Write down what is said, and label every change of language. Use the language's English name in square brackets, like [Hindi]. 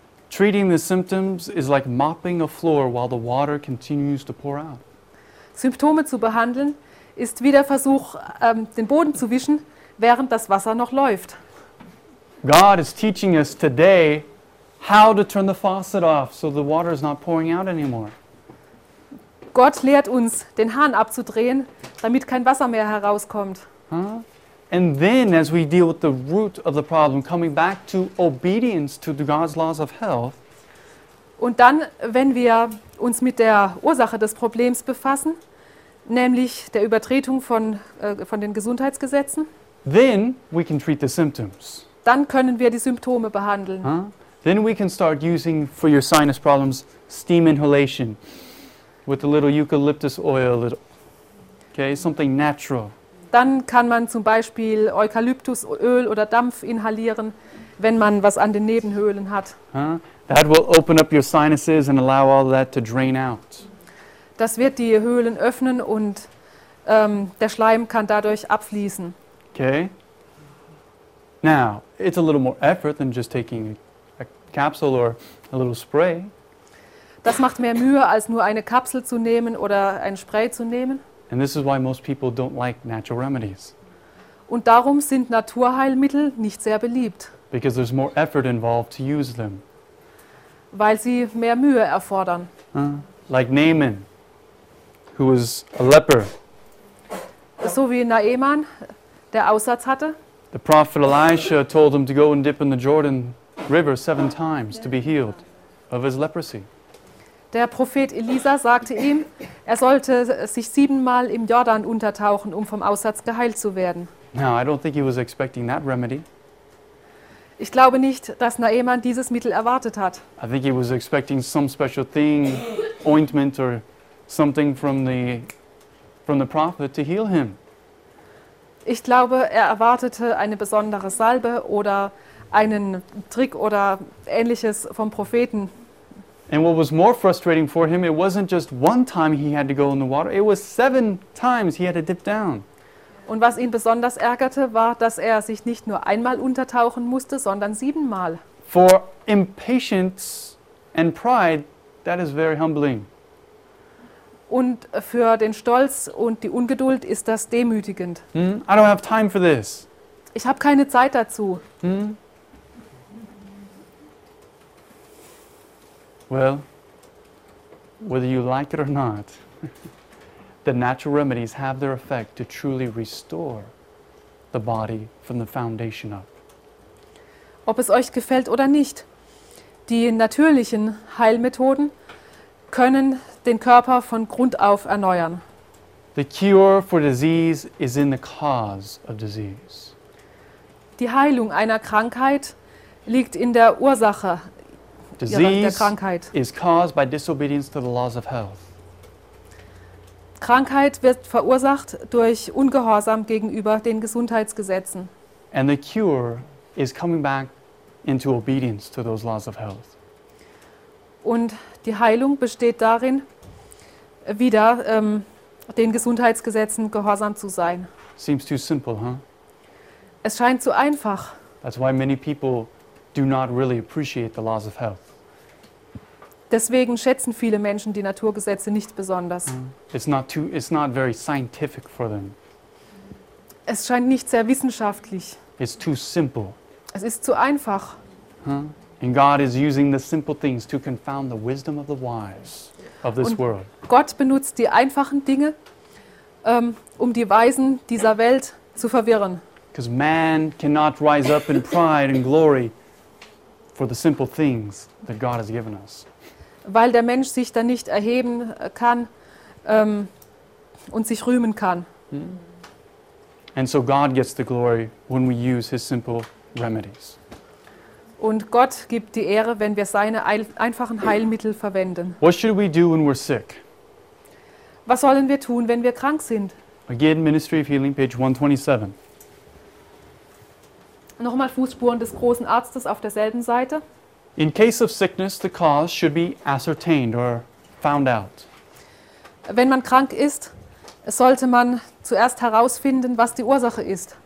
[English] Treating the symptoms is like mopping a floor while the water continues to pour out. [German] Symptome zu behandeln ist wie der Versuch, den Boden zu wischen, während das Wasser noch läuft. [English] God is teaching us today how to turn the faucet off so the water is not pouring out anymore. [German] Gott lehrt uns, den Hahn abzudrehen, damit kein Wasser mehr herauskommt. [English] And then as we deal with the root of the problem, coming back to obedience to God's laws of health. [German] Und dann, wenn wir uns mit der Ursache des Problems befassen, nämlich der Übertretung von den Gesundheitsgesetzen. [English] Then we can treat the symptoms. [German] Dann können wir die Symptome behandeln. [English] Then we can start using for your sinus problems steam inhalation with a little eucalyptus oil. Okay, something natural. [German] Dann kann man zum Beispiel Eukalyptusöl oder Dampf inhalieren, wenn man was an den Nebenhöhlen hat. [English] That will open up your sinuses and allow all that to drain out. [German] Das wird die Höhlen öffnen und der Schleim kann dadurch abfließen. [English] Okay. Now, it's a little more effort than just taking a capsule or a little spray. [German] Das macht mehr Mühe, als nur eine Kapsel zu nehmen oder ein Spray zu nehmen. [English] And this is why most people don't like natural remedies. [German] Und darum sind Naturheilmittel nicht sehr beliebt. [English] Because there's more effort involved to use them. [German] Weil sie mehr Mühe erfordern. [English] Like Naaman, who was a leper. [German] So wie Naaman, der Aussatz hatte. [English] The prophet Elisha told him to go and dip in the Jordan River 7 times to be healed of his leprosy. [German] Der Prophet Elisa sagte ihm, er sollte sich 7 Mal im Jordan untertauchen, um vom Aussatz geheilt zu werden. [English] Now, I don't think he was expecting that remedy. [German] Ich glaube nicht, dass Naaman dieses Mittel erwartet hat. [English] I think he was expecting some special thing, ointment or something from the prophet to heal him. [German] Ich glaube, er erwartete eine besondere Salbe oder einen Trick oder ähnliches vom Propheten. [English] And what was more frustrating for him, it wasn't just one time he had to go in the water, it was 7 times he had to dip down. [German] Und was ihn besonders ärgerte, war, dass er sich nicht nur einmal untertauchen musste, sondern 7 Mal. [English] For impatience and pride, that is very humbling. [German] Und für den Stolz und die Ungeduld ist das demütigend. [English] I don't have time for this. [German] Ich habe keine Zeit dazu. [English] Well, whether you like it or not, the natural remedies have their effect to truly restore the body from the foundation up. [German] Ob es euch gefällt oder nicht, die natürlichen Heilmethoden können den Körper von Grund auf erneuern. [English] The cure for disease is in the cause of disease. [German] Die Heilung einer Krankheit liegt in der Ursache. [English] Disease is caused by disobedience to the laws of health. [German] Krankheit wird verursacht durch Ungehorsam gegenüber den Gesundheitsgesetzen. [English] And the cure is coming back into obedience to those laws of health. [German] Und die Heilung besteht darin, wieder den Gesundheitsgesetzen gehorsam zu sein. [English] Seems too simple, huh? [German] Es scheint zu einfach. [English] That's why many people do not really appreciate the laws of health. [German] Deswegen schätzen viele Menschen die Naturgesetze nicht besonders. [English] It's not very scientific for them. [German] Es scheint nicht sehr wissenschaftlich. [English] It's too simple. [German] Es ist zu einfach. [English] And God is using the simple things to confound the wisdom of the wise of this world. [German] Gott benutzt die einfachen Dinge, um die Weisen dieser Welt zu verwirren. [English] Because man cannot rise up in pride and glory for the simple things that God has given us. [German] Weil der Mensch sich dann nicht erheben kann und sich rühmen kann. [English] And so God gets the glory when we use his simple remedies. [German] Und Gott gibt die Ehre, wenn wir seine einfachen Heilmittel verwenden. [English] What should we do when we're sick? [German] Was sollen wir tun, wenn wir krank sind? [English] Again, Ministry of Healing, page 127. [German] Nochmal Fußspuren des großen Arztes auf derselben Seite. [English] In case of sickness, the cause should be ascertained or found out. [German] Wenn man krank ist, sollte man zuerst herausfinden, was die Ursache ist.